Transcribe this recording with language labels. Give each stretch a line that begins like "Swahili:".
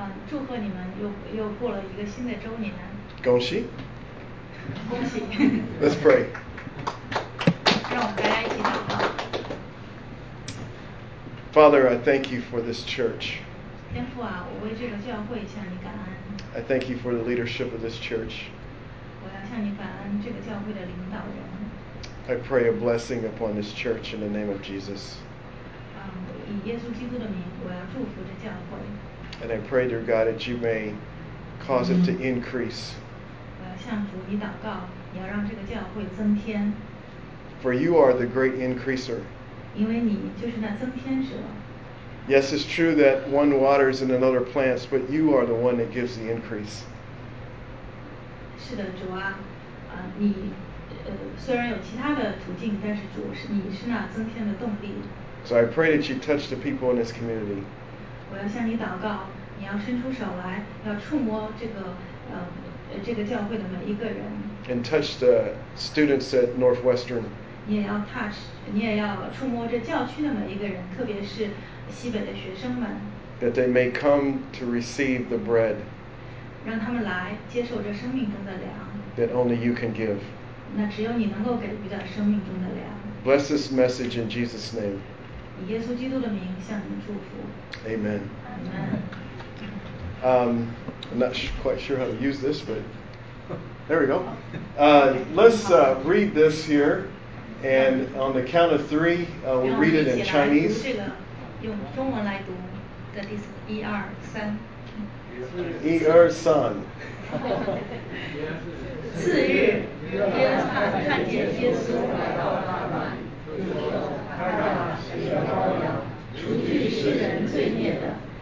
Chinese: 祝贺你们又过了一个新的周年。恭喜。恭喜。
English: Let's pray.
Chinese: 让我们大家一起祷告。
English: Father, I thank you for this church.
Chinese: 天父啊，我为这个教会向你感恩。
English: I thank you for the leadership of this church.
Chinese: 我要向你感恩这个教会的领导人。
English: I pray a blessing upon this church in the name of Jesus.
Chinese: 以耶稣基督的名，我要祝福这教会。
English: And I pray, dear God, that you may cause it to increase.
Chinese: 我要向主你祷告，你要让这个教会增添。
English: For you are the great increaser.
Chinese: 因为你就是那增添者。
English: Yes, it's true that one waters and another plants, but you are the one that gives the increase.
Chinese: 是的，主啊，你。虽然有其他的途径，但是主是你是那增添的动力。
English: So I pray that you touch the people in this community.
Chinese: 我要向你祷告，你要伸出手来，要触摸这个教会的每一个人。
English: And touch the students at Northwestern.
Chinese: 你也要触摸这教区的每一个人，特别是西北的学生们。
English: That they may come to receive the bread.
Chinese: 让他们来接受这生命中的粮。
English: That only you can give.
Chinese: 那只有你能够给予到生命中的粮。
English: Bless this message in Jesus' name.
Chinese: 以耶稣基督的名向您祝福。
English: Amen. Amen. I'm not quite sure how to use this, but there we go. Let's read this here, and on the count of three, we'll read it in Chinese.
Chinese: 这个用中文来读，这第一二三。一二三。次日，约翰看见耶稣来到他那里，就说：“看哪，神的羔羊，除去世人罪孽的。”